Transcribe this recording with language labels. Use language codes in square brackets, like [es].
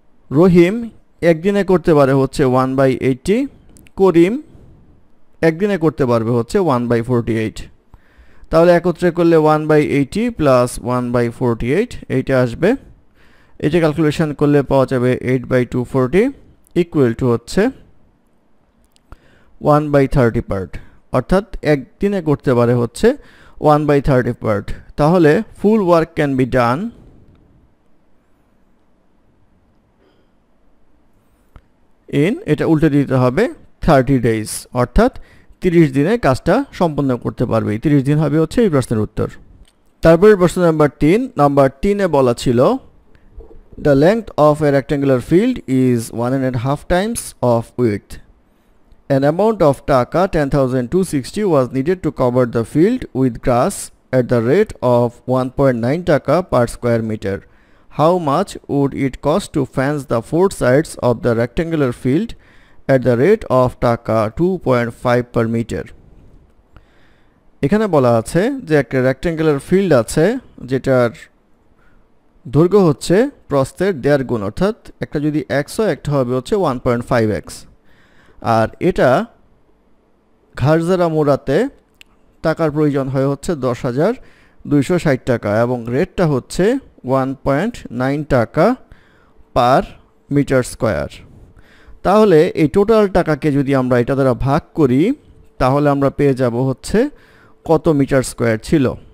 [bn] রহিম একদিনে করতে পারে হচ্ছে 1/80, করিম একদিনে করতে পারবে হচ্ছে 1/48, তাহলে একত্রে করলে 1/80 প্লাস 1/48 এইটা আসবে, এটা ক্যালকুলেশন করলে পাওয়া যাবে 8/240 ইকুয়াল টু হচ্ছে 1/30 পার্ট, অর্থাৎ একদিনে করতে পারে হচ্ছে 1/30 পার্ট, তাহলে [en] full work can be done [bn] in, এটা উল্টে দিতে হবে 30 ডেইজ, অর্থাৎ 30 দিনে কাজটা সম্পন্ন করতে পারবে, 30 দিন হবে হচ্ছে এই প্রশ্নের উত্তর। তারপরে প্রশ্ন নাম্বার 3, নাম্বার 3 এ বলা ছিল [en] The length of a rectangular field is 1.5 times of width, an amount of taka 10,260 was needed to cover the field with grass at the rate of 1.9 taka per square meter, how much would it cost to fence the four sides of the rectangular field at the rate of taka 2.5 per meter। [bn] ekhane bola ache je ekta rectangular field ache jetar dhurgho hocche prosther der gun, orthat ekta jodi 100 ekta hobe hocche 1.5x, আর এটা ঘাড়জারা মোড়াতে টাকার প্রয়োজন হয় হচ্ছে 10,260 টাকা এবং রেটটা হচ্ছে 1.9 টাকা পার মিটার স্কোয়ার, তাহলে এই টোটাল টাকাকে যদি আমরা এটা দ্বারা ভাগ করি তাহলে আমরা পেয়ে যাব হচ্ছে কত মিটার স্কোয়ার ছিল,